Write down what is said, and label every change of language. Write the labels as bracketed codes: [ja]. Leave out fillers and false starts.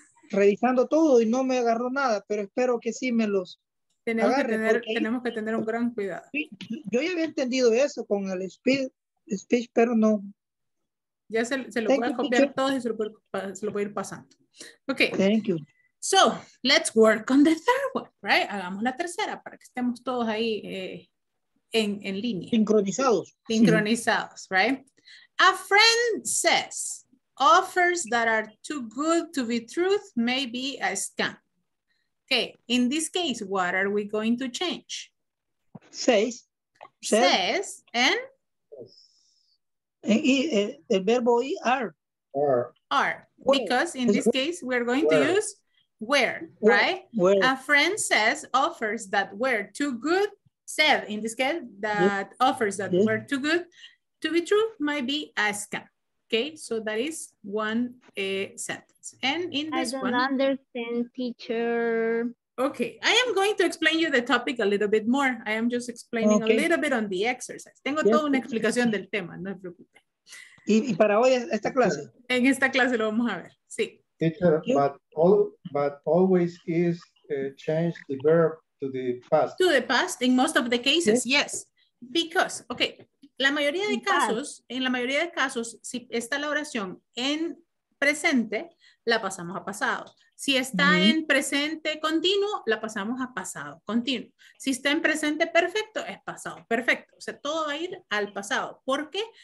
[es] revisando todo y no me agarró nada, pero espero que sí me los tenemos agarre. Tenemos que tener un gran cuidado. Yo ya había entendido eso con el speech, pero no. Ya se lo voy a copiar todo y se lo voy a ir pasando. Ok. [en] Thank you. So, let's work on the third one, right? [es] Hagamos la tercera para que estemos todos ahí en línea. Sincronizados, [en] right? A friend says... Offers that are too good to be truth may be a scam. Okay, in this case, what are we going to change? Says, and? [es] El verbo y are. [en] Because in this case, we're going to use where, right? Where. A friend says offers that were too good, said in this case, that offers that were too good to be true may be a scam. Okay, so that is one sentence. And in this one... I don't understand, teacher. Okay, I am going to explain you the topic a little bit more. I am just explaining a little bit on the exercise. [es] Tengo toda una explicación del tema, no se preocupe. ¿Y para hoy esta clase? En esta clase lo vamos a ver, sí. [en] Teacher, but always is change the verb to the past. To the past, in most of the cases, yes. Because, okay... [es] La mayoría de casos, en la mayoría de casos, si está la oración en presente, la pasamos a pasado. Si está en presente continuo, la pasamos a pasado continuo. Si está en presente perfecto, es pasado perfecto. O sea, todo va a ir al pasado. ¿Por qué?